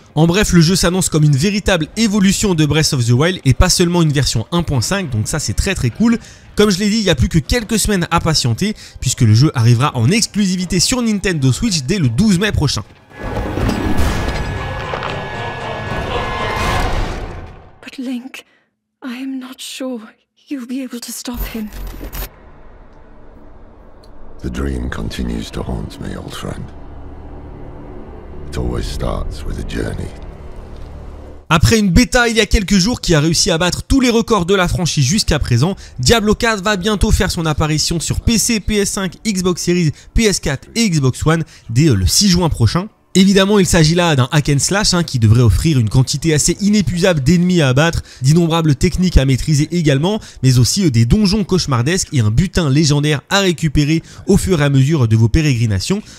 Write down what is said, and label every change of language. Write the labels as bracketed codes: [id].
[fr] En bref, le jeu s'annonce comme une véritable évolution de Breath of the Wild et pas seulement une version 1.5, donc ça c'est très très cool. Comme je l'ai dit, il n'y a plus que quelques semaines à patienter, puisque le jeu arrivera en exclusivité sur Nintendo Switch dès le 12 mai prochain. [en] Link, I am not sure you'll be able to stop him. The dream continues to haunt me, old friend. It always starts with a journey. [fr] Après une bêta il y a quelques jours qui a réussi à battre tous les records de la franchise jusqu'à présent, Diablo 4 va bientôt faire son apparition sur PC, PS5, Xbox Series, PS4 et Xbox One dès le 6 juin prochain. Évidemment, il s'agit là d'un hack and slash qui devrait offrir une quantité assez inépuisable d'ennemis à abattre, d'innombrables techniques à maîtriser également, mais aussi des donjons cauchemardesques et un butin légendaire à récupérer au fur et à mesure de vos pérégrinations.